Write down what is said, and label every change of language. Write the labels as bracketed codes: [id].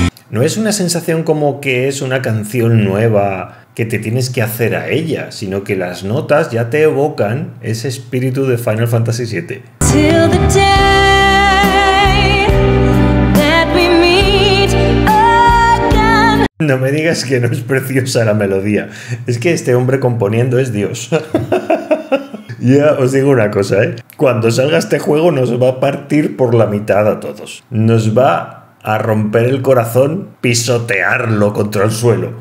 [es] No es una sensación como que es una canción nueva que te tienes que hacer a ella, sino que las notas ya te evocan ese espíritu de Final Fantasy VII. [en] Till the day that we meet again. [es] No me digas que no es preciosa la melodía. Es que este hombre componiendo es Dios. Ya os digo una cosa, ¿eh? Cuando salga este juego nos va a partir por la mitad a todos. Nos va a romper el corazón, pisotearlo contra el suelo.